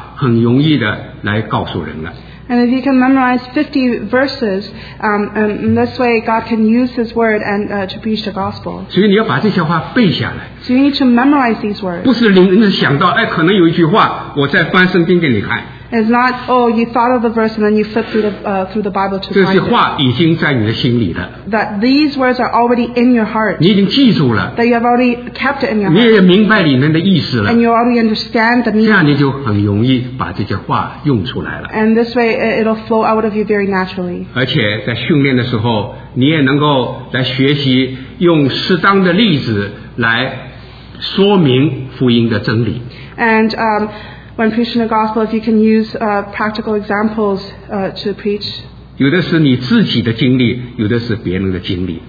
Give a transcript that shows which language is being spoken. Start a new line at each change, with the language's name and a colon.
Chinese: 大概你要是能够把50节圣经关于福音方面背下来，你讲福音的时候就能够用神的话很容易的来告诉人了。
English: And if you can memorize 50 verses, in this way God can use His word and to preach the gospel. So you need to memorize these words.
Chinese: 不是临时想到, 哎, 可能有一句话, 我再翻圣经给你看。
English: It's not, oh, you thought of the verse and then you flip through the Bible to find it. That these words are already in your heart.
Chinese: 你已经记住了,
English: that you have already kept it in your heart.
Chinese: 你也明白里面的意思了,
English: and you already understand the meaning. And this way, it'll flow out of you very naturally.
Chinese: 而且在训练的时候, 你也能够来学习用适当的例子来说明福音的真理。
English: And when preaching the gospel, if you can use practical examples to preach.
Chinese: 有的是你自己的经历, 有的是别人的经历。